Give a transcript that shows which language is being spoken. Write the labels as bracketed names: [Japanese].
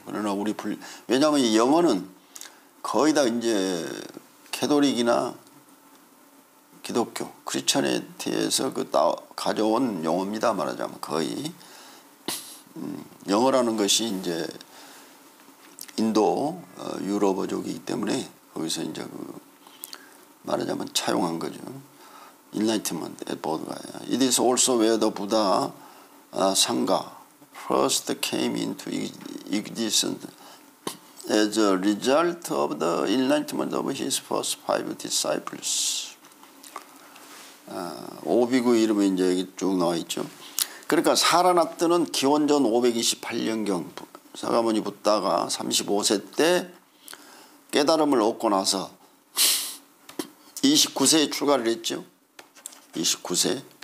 [Korean] 그러나 우리 왜냐하면 이 영어는 거의 다 이제 캐톨릭이나 기독교, 크리스천에티에서 그 가져온 용어입니다. 말하자면 거의. 영어라는 것이 이제 인도 유럽어족이기 때문에 거기서 이제 그 말하자면 차용한 거죠. [English] Enlightenment at Bodh Gaya. It is also where the Buddha Sangha first came into existence as a result of the enlightenment of his first five disciples. [Korean] 오비구 이름이 이제 여기 쭉 나와 있죠. 그러니까 사르나트는 기원전 528년경 사가모니 부다가 35세 때 깨달음을 얻고 나서 29세에 출가를 했죠. 29세.